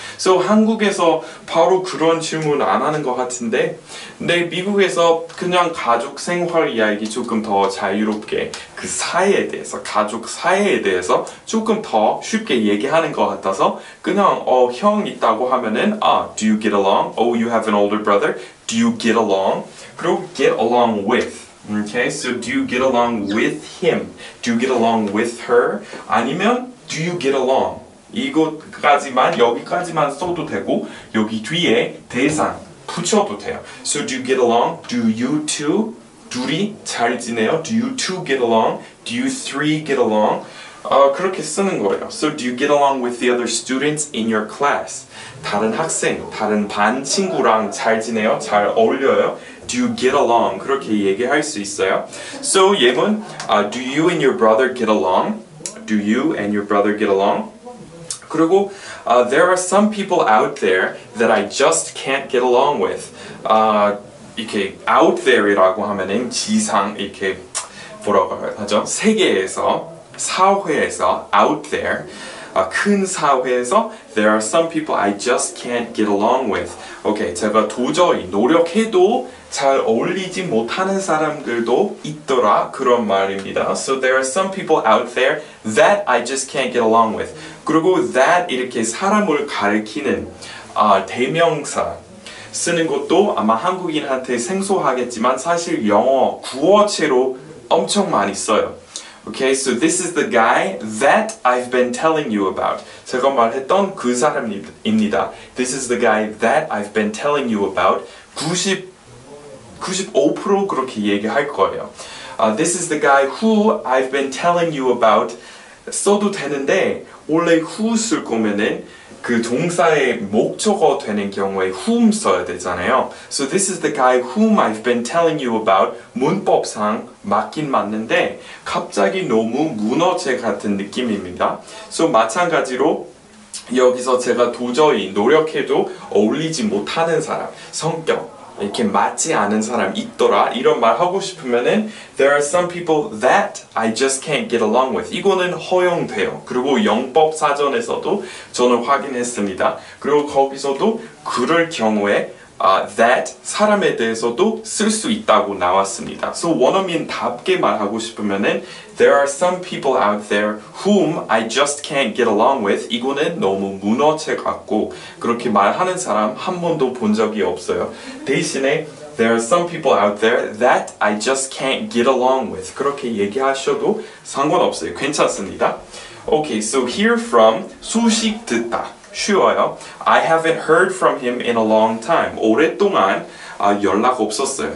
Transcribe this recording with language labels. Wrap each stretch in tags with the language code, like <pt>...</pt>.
<ko>So 한국에서 바로 그런 질문 안 하는 것 같은데, 근데 미국에서 그냥 가족 생활 이야기 조금 더 자유롭게 그 사이에 대해서, 가족 사이에 대해서 조금 더 쉽게 얘기하는 것 같아서 그냥 형 있다고 하면은</ko> <en>Do you get along? Oh, you have an older brother? Do you get along? 그리고 get along with. Okay, so do you get along with him? Do you get along with her? 아니면 do you get along?</en> <ko>이것까지만, 여기까지만 써도 되고 여기 뒤에 대상 붙여도 돼요.</ko> <en>So do you get along? Do you two?</en> <ko>둘이 잘 지내요?</ko> <en>Do you two get along? Do you three get along?</en> <ko>그렇게 쓰는 거예요.</ko> <en>So do you get along with the other students in your class?</en> <ko>다른 학생, 다른 반 친구랑 잘 지내요? 잘 어울려요?</ko> <en>Do you get along?</en> <ko>그렇게 얘기할 수 있어요.</ko> <en>So 예문, do you and your brother get along? Do you and your brother get along? 그리고 there are some people out there that I just can't get along with.</en> <ko>이렇게 out there이라고 하면은 지상, 이렇게 뭐라고 하죠? 세계에서, 사회에서, out there. 큰 사회에서</ko> <en>there are some people I just can't get along with.</en> <ko>Okay, 제가 도저히 노력해도 잘 어울리지 못하는 사람들도 있더라, 그런 말입니다.</ko> <en>So there are some people out there that I just can't get along with.</en> <ko>그리고 that 이렇게 사람을 가리키는 대명사 쓰는 것도 아마 한국인한테 생소하겠지만 사실 영어 구어체로 엄청 많이 써요.</ko> <en>Okay, so this is the guy that I've been telling you about.</en> <ko>제가 말했던 그 사람입니다.</ko> <en>This is the guy that I've been telling you about.</en> <ko>95% 그렇게 얘기할 거예요.</ko> <en>This is the guy who I've been telling you about.</en> <ko>써도 되는데, 원래 who 쓸 거면은 그 동사의 목적어 되는 경우에 whom 써야 되잖아요.</ko> <en>So this is the guy whom I've been telling you about.</en> <ko>문법상 맞긴 맞는데 갑자기 너무 문어체 같은 느낌입니다. So 마찬가지로 여기서 제가 도저히 노력해도 어울리지 못하는 사람, 성격 이렇게 맞지 않은 사람 있더라, 이런 말 하고 싶으면은</ko> <en>There are some people that I just can't get along with.</en> <ko>이거는 허용돼요. 그리고 영법 사전에서도 저는 확인했습니다. 그리고 거기서도 그럴 경우에 that 사람에 대해서도 쓸 수 있다고 나왔습니다.</ko> <en>So</en> <ko>원어민답게 말하고 싶으면은</ko> <en>There are some people out there whom I just can't get along with.</en> <ko>이거는 너무 문어체 같고 그렇게 말하는 사람 한 번도 본 적이 없어요.</ko> <en>대신에 There are some people out there that I just can't get along with.</en> <ko>그렇게 얘기하셔도 상관없어요. 괜찮습니다.</ko> <en>Okay, so hear from</en> <ko>소식 듣다. 쉬워요.</ko> <en>I haven't heard from him in a long time.</en> <ko>오랫동안 연락 없었어요.</ko>